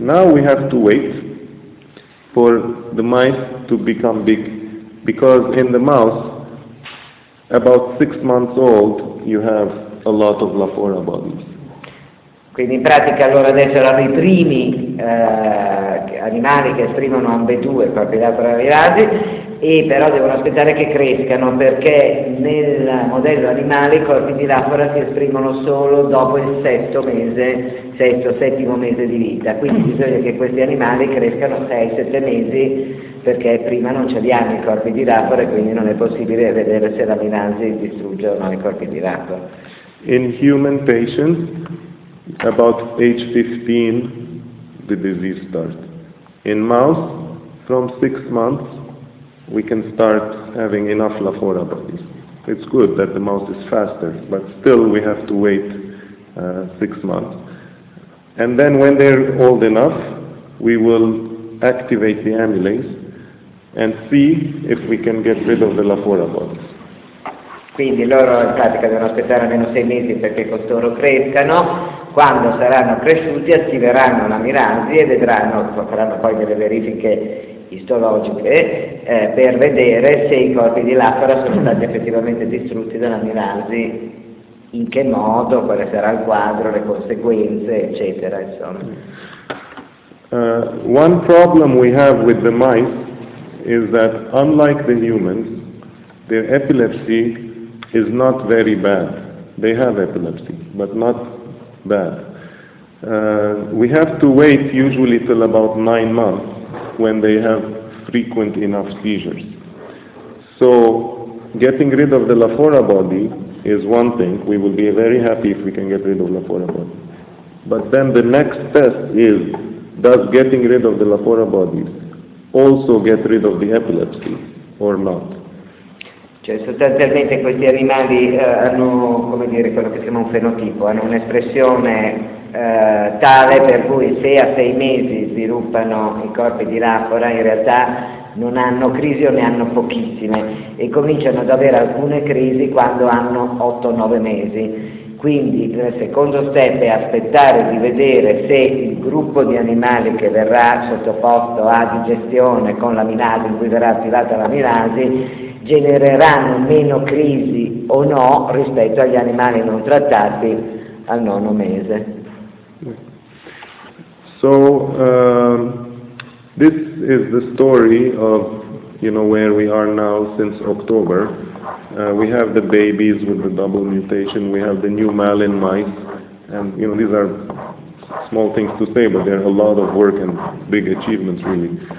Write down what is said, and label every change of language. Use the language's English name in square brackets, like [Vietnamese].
[English] Now we have to wait for the mice to become big, because in the mouse, about 6 months old, you have a lot of Lafora bodies. [Italian] Quindi in pratica allora adesso erano i primi animali che esprimono ambedue, proprio da paraviradi, e però devono aspettare che crescano, perché nel modello animale i corpi di Lafora si esprimono solo dopo il settimo mese di vita, quindi bisogna che questi animali crescano 6-7 mesi, perché prima non ci abbiamo i corpi di Lafora e quindi non è possibile vedere se la milasi distrugge o non i corpi di Lafora. [English] In human patients about age 15 the disease starts. In mouse from 6 months we can start having enough Lafora bodies. It's good that the mouse is faster, but still we have to wait 6 months. And then when they're old enough, we will activate the amylase and see if we can get rid of the Lafora bodies. [Italian] Quindi loro in pratica devono aspettare almeno 6 mesi perché costoro crescano. Quando saranno cresciuti attiveranno la milasi e vedranno, faranno poi delle verifiche istologiche per vedere se i corpi di Lafora sono stati effettivamente distrutti dalla milasi, in che modo, quale sarà il quadro, le conseguenze, eccetera, insomma. [English] One problem we have with the mice is that unlike the humans, their epilepsy is not very bad. They have epilepsy, but not bad. We have to wait usually till about 9 months when they have frequent enough seizures. So getting rid of the Lafora body is one thing. We will be very happy if we can get rid of Lafora body. But then the next test is, does getting rid of the Lafora bodies also get rid of the epilepsy or not? [Italian] Cioè sostanzialmente questi animali hanno, come dire, quello che si chiama un fenotipo, hanno un'espressione tale per cui se a 6 mesi sviluppano i corpi di Lafora in realtà non hanno crisi o ne hanno pochissime e cominciano ad avere alcune crisi quando hanno 8-9 mesi. Quindi il secondo step è aspettare di vedere se il gruppo di animali che verrà sottoposto a digestione con l'aminasi, in cui verrà attivata l'aminasi, genereranno meno crisi o no rispetto agli animali non trattati al 9° mese. [English] So this is the story of, you know, where we are now since October. We have the babies with the double mutation, we have the new malin mice, and you know, these are small things to say, but they're a lot of work and big achievements really.